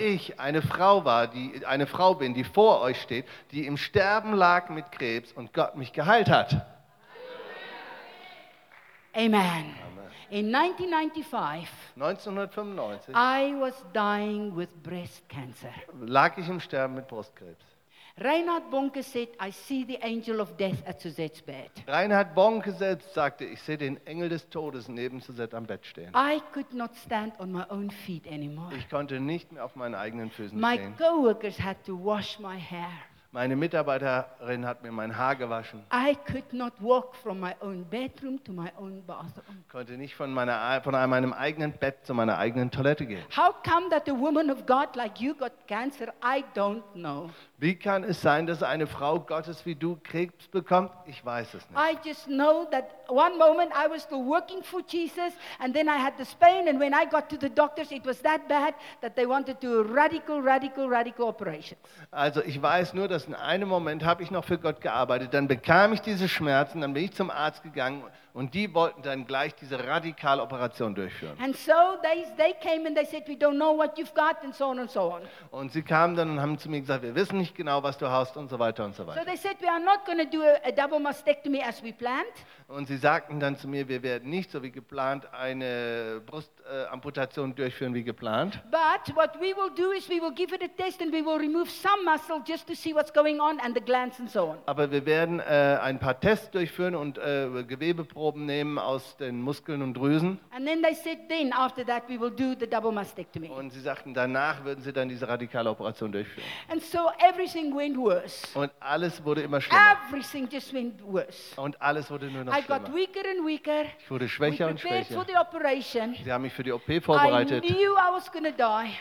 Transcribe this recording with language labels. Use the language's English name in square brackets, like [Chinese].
[German] Weil ich eine Frau war, die eine Frau bin, die vor euch steht, die im Sterben lag mit Krebs und Gott mich geheilt hat. Amen. Amen. [English] In 1995, I was dying with breast cancer. [German] Lag ich im Sterben mit Brustkrebs. [English] Reinhard Bonke said, I see the angel of death at Suzette's bed. [German] Reinhard Bonke selbst sagte, ich sehe den Engel des Todes neben Suzette am Bett stehen. [English] I could not stand on my own feet anymore. [German] Ich konnte nicht mehr auf meinen eigenen Füßen [English] my [German] stehen. [English] My coworkers had to wash my hair. [German] Meine Mitarbeiterin hat mir mein Haar gewaschen. [English] I could not walk from my own bedroom to my own bathroom. [German] Konnte nicht von meinem eigenen Bett zu meiner eigenen Toilette gehen. [English] How come that a woman of God like you got cancer? I don't know. [German] Wie kann es sein, dass eine Frau Gottes wie du Krebs bekommt? Ich weiß es nicht. [English] I just know that one moment I was still working for Jesus and then I had the pain and when I got to the doctors it was that bad that they wanted to do radical operations. [German] Also ich weiß nur, dass in einem Moment habe ich noch für Gott gearbeitet, dann bekam ich diese Schmerzen, dann bin ich zum Arzt gegangen und die wollten dann gleich diese radikale Operation durchführen. [English] And so they came and they said, we don't know what you've got and so on and so on. [German] Und sie kamen dann und haben zu mir gesagt, wir wissen nicht genau, was du hast und so weiter und so weiter. [English] So they said, we are not going to do a double mastectomy as we planned. [German] Und sie sagten dann zu mir, wir werden nicht so wie geplant eine Brustamputation durchführen wie geplant. [English] But what we will do is we will give it a test and we will remove some muscle just to see what's going on and the glands and so on. [German] Aber wir werden ein paar Tests durchführen und Gewebeproben nehmen aus den Muskeln und Drüsen. [English] And then they said then after that we will do the double mastectomy. [German] Und sie sagten danach würden sie dann diese radikale Operation durchführen. [English] And so everything went worse. [German] Und alles wurde immer schlimmer. [English] Everything just went worse. [German] Und alles wurde nur noch [English] I got weaker and weaker. [German] Ich wurde schwächer und schwächer. [English] For the operation. [German] Sie haben mich für die OP vorbereitet. [English] I knew I was gonna die.